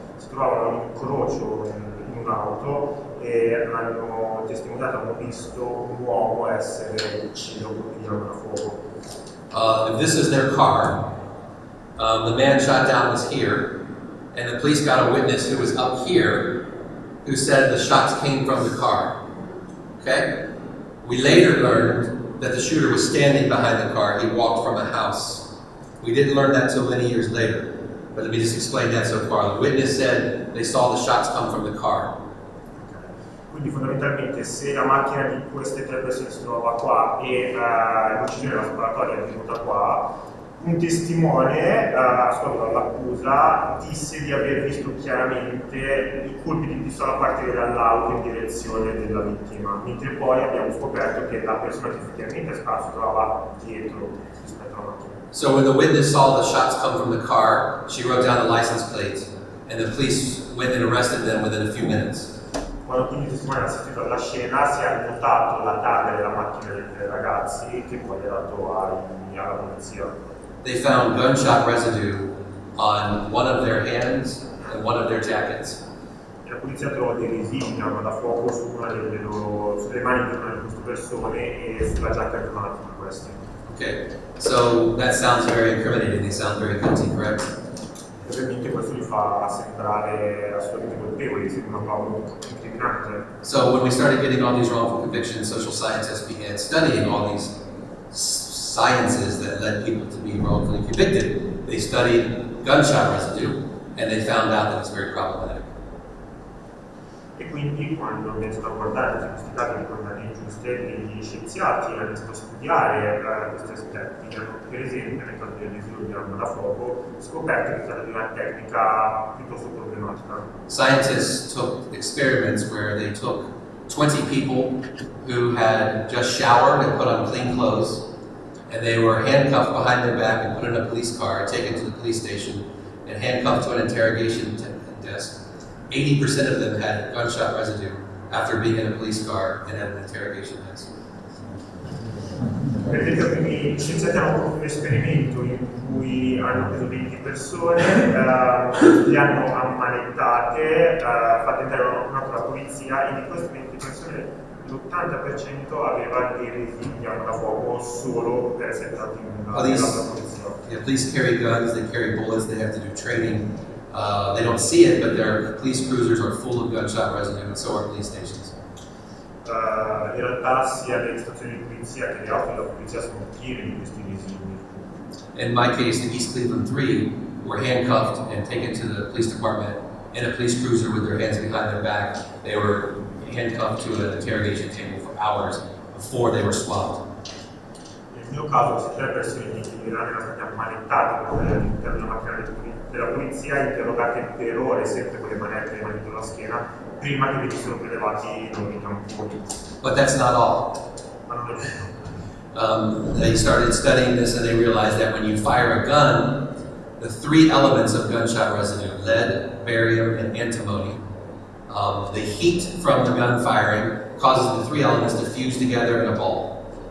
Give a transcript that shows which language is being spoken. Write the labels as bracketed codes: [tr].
[it] Si trovavano in un incrocio in un'auto e hanno testimoniato, hanno visto un uomo essere ucciso con un arma da fuoco. [en] This is their car. The man shot down was here, and the police got a witness who was up here, who said the shots came from the car. Okay? We later learned that the shooter was standing behind the car. He walked from a house. We didn't learn that until many years later. But let me just explain that so far. The witness said they saw the shots come from the car. Okay. [it] Quindi fondamentalmente se la macchina di queste tre persone si trova qua e l'uccisione della sparatoria è venuta qua, un testimone, ascoltando l'accusa, disse di aver visto chiaramente i colpi di pistola partire dall'auto in direzione della vittima, mentre poi abbiamo scoperto che la persona che effettivamente è sparata si trovava dietro rispetto alla macchina. [en] So when the witness saw the shots come from the car, she wrote down the license plate, and the police went and arrested them within a few minutes. [it] Quando quindi il testimone ha assistito alla scena, si è annotato la targa della macchina dei tre ragazzi, che poi è dato alla polizia. [en] They found gunshot residue on one of their hands and one of their jackets. [it] La polizia trovò dei residui di arma da fuoco su una delle loro, sulle mani di una di queste persone e sulla giacca di una di queste. [en] Okay, so that sounds very incriminating. They sound very guilty, correct? [it] Ovviamente questo li fa sembrare assolutamente colpevoli, sembra un po' incriminante. [en] So when we started getting all these wrongful convictions, social scientists began studying all these sciences that led people to be wrongfully convicted. They studied gunshot residue, and they found out that it's very problematic. [it] E quindi quando mi sono guardato questi dati di condanne ingiuste, gli scienziati hanno iniziato a studiare questi aspetti. Per esempio, nel caso del residuo di arma da fuoco, scoperto che è stata una tecnica piuttosto problematica. [en] Scientists took experiments where they took 20 people who had just showered and put on clean clothes, and they were handcuffed behind their back and put in a police car, taken to the police station, and handcuffed to an interrogation desk. 80% of them had gunshot residue after being in a police car and at an interrogation desk. [it] Per esempio, quindi scienziati hanno fatto un esperimento in cui hanno preso 20 persone, li hanno ammanettate, fatte entrare in una con la polizia, e di queste 20 persone l'80% aveva dei residui di arma da fuoco solo per essere stati in una polizia. [en] Yeah, police carry guns, they carry bullets, they have to do training. They don't see it, but their police cruisers are full of gunshot residue, and so are police stations. [it] In realtà sia le stazioni di polizia che le auto della polizia sono piene di questi residui. [en] In my case, the East Cleveland 3 were handcuffed and taken to the police department in a police cruiser with their hands behind their back. They were handcuffed to an interrogation table for hours before they were swabbed. [it] Nel mio caso, se tre persone di Cleveland erano state ammanettate all'interno della macchina della polizia, interrogate per ore, sempre con le manette e le mani sulla schiena, prima che venissero prelevati i loro tamponi. [en] But that's not all. [it] Ma non è tutto. [en] They started studying this and they realized that when you fire a gun, the three elements of gunshot residue, lead, barium, and antimony, the heat from the gun firing causes the three elements to fuse together in a ball.